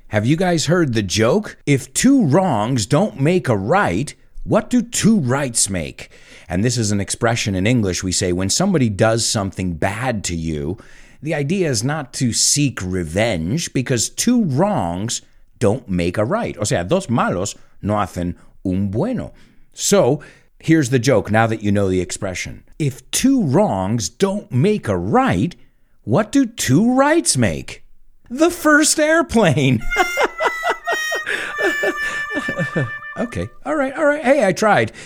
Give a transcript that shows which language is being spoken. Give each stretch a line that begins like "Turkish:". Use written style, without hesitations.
English: Have you guys heard the joke? If two wrongs don't make a right, what do two rights make? And this is an expression in English. We say when somebody does something bad to you, the idea is not to seek revenge because two wrongs don't make a right.
Spanish: O sea, dos malos no hacen un bueno.
English: So here's the joke now that you know the expression. If two wrongs don't make a right, what do two Wrights make? The first airplane. Okay. All right. Hey, I tried.